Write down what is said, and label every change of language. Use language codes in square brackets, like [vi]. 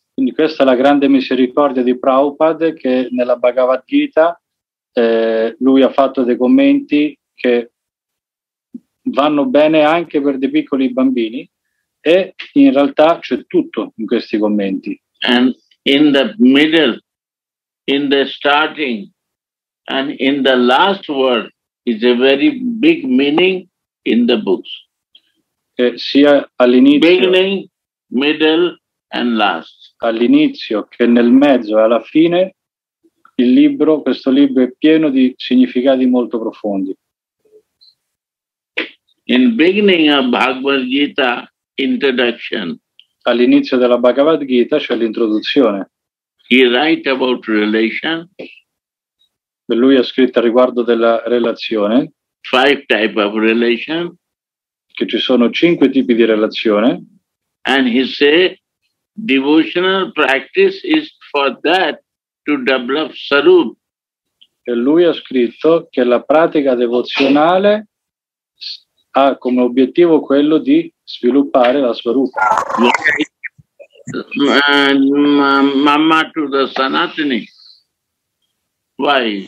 [it] Quindi questa è la grande misericordia di Prabhupada, che nella Bhagavad Gita lui ha fatto dei commenti che vanno bene anche per dei piccoli bambini, e in realtà c'è tutto in questi commenti. [en] And in the middle, in the starting and in the last word is a very big meaning in the books. [it] Che sia all'inizio, [en] beginning, middle and last. [it] All'inizio, che nel mezzo e alla fine, il libro, questo libro è pieno di significati molto profondi. [en] In beginning of Bhagavad Gita introduction. [it] All'inizio della Bhagavad Gita c'è l'introduzione. [en] He write about relation. [it] E lui ha scritto riguardo della relazione. [en] Five type of relation. [it] Che ci sono cinque tipi di relazione. [en] And he say devotional practice is for that to develop sarup. [it] E lui ha scritto che la pratica devozionale ha come obiettivo quello di sviluppare la svarupa. [en] Mamma to the Sanatani. Why?